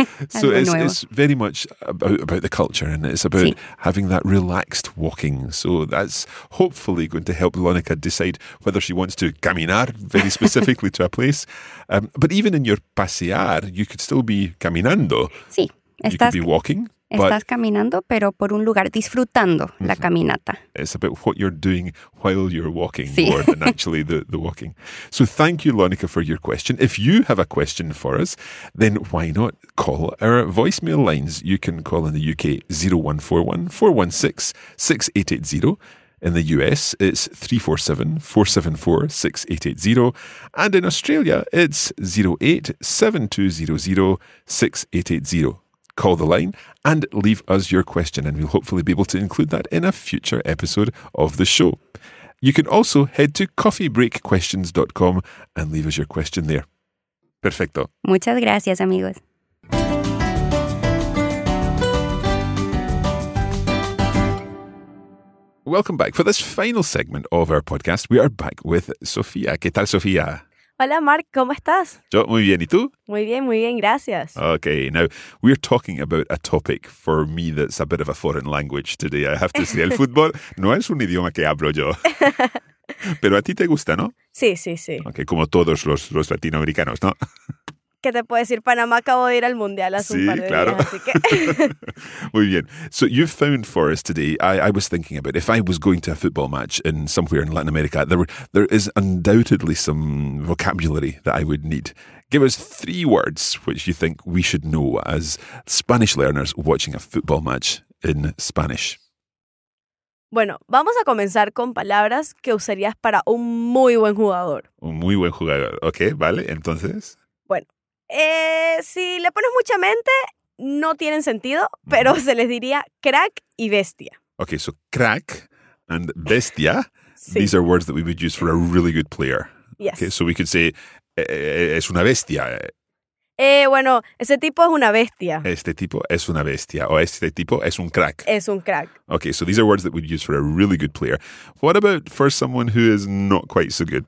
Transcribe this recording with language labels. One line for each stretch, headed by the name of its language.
English: So it's very much about the culture, and it's about
Spanish: sí.
English: having that relaxed walking. So that's hopefully going to help Lónica decide whether she wants to caminar very specifically to a place. But even in your pasear, you could still be caminando.
Spanish: Sí.
English: You could be walking.
Spanish: Estás caminando, pero por un lugar, disfrutando la caminata.
English: It's about what you're doing while you're walking
Spanish: sí.
English: more than actually the walking. So thank you, Lónica, for your question. If you have a question for us, then why not call our voicemail lines? You can call in the UK 0141 416 6880. In the US, it's 347 474 6880. And in Australia, it's 08 7200 6880. Call the line and leave us your question, and we'll hopefully be able to include that in a future episode of the show. You can also head to coffeebreakquestions.com and leave us your question there.
Spanish: Perfecto. Muchas gracias, amigos.
English: Welcome back. For this final segment of our podcast, we are back with Sofía.
Spanish: ¿Qué tal, Sofía? Hola, Mark. ¿Cómo estás? Yo muy bien. ¿Y tú? Muy bien, gracias.
English: Okay, now, we're talking about a topic for me that's a bit of a foreign language today. I have to say,
Spanish: el fútbol no es un idioma que hablo yo. Pero a ti te gusta, ¿no? Sí, sí, sí. Okay, como todos los latinoamericanos, ¿no? ¿Qué te puedo decir? Panamá acabó de ir al Mundial hace sí, un par de claro. días, así que... Muy bien.
English: So you found for us today, I was thinking about if I was going to a football match in somewhere in Latin America, there is undoubtedly some vocabulary that I would need. Give us three words which you think we should know as Spanish learners watching a football match in Spanish.
Spanish: Bueno, vamos a comenzar con palabras que usarías para un muy buen jugador. Un muy buen jugador. Ok, vale, entonces... Si le pones mucha mente, no tienen sentido, pero se les diría crack y bestia.
English: Okay, so crack and bestia,
Spanish: sí.
English: These are words that we would use for a really good player. Yes. Okay, so we could say,
Spanish: es una bestia. Bueno, ese tipo es una bestia. Este tipo es una bestia, o este tipo es un crack. Es un crack.
English: Okay, so these are words that we'd use for a really good player. What about for someone who is not quite so good?